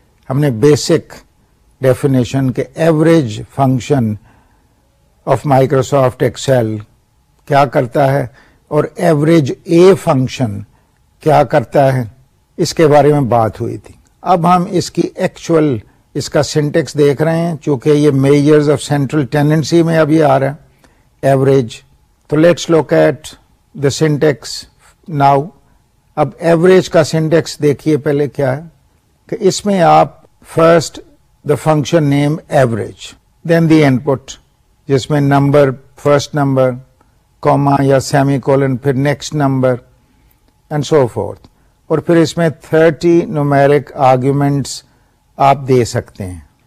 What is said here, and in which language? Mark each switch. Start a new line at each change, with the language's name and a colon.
Urdu: ہم نے basic definition کے average function of Microsoft Excel کیا کرتا ہے اور ایوریج اے فنکشن کیا کرتا ہے, اس کے بارے میں بات ہوئی تھی. اب ہم اس کی ایکچوئل اس کا سنٹیکس دیکھ رہے ہیں, چونکہ یہ میجرز آف سینٹرل ٹینڈنسی میں اب یہ آ رہا ہے ایوریج.
English: تو let's look at the syntax now.
Urdu: اب ایوریج کا سنٹیکس دیکھیے پہلے کیا ہے, کہ اس میں آپ
English: first the function name average,
Urdu: دین دی ان پٹ جس میں نمبر فرسٹ نمبر کوما یا سیمی کولن, پھر next number and so forth, اور پھر اس میں 30 نومیرک آرگیومنٹس آپ دے سکتے ہیں.